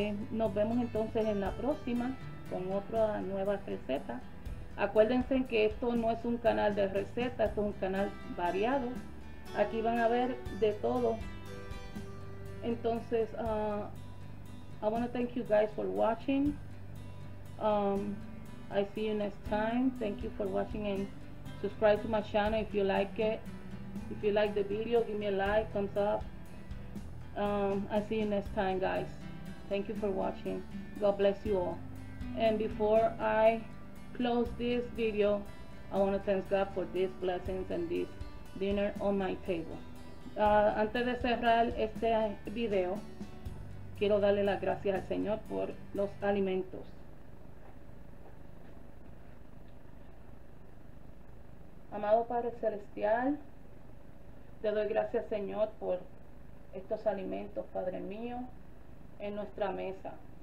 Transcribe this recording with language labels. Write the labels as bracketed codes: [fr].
[es] Nos vemos entonces en la próxima con otra nueva receta. Acuérdense que esto no es un canal de recetas, esto es un canal variado. Aquí van a ver de todo. Entonces, [en] I want to thank you guys for watching. I see you next time. Thank you for watching and subscribe to my channel if you like it. If you like the video, give me a like, thumbs up. I see you next time, guys. Thank you for watching. God bless you all. And before I close this video, I want to thank God for these blessings and this dinner on my table. [es] Antes de cerrar este video, quiero darle las gracias al Señor por los alimentos. Amado Padre Celestial, te doy gracias, Señor, por estos alimentos, Padre mío, en nuestra mesa.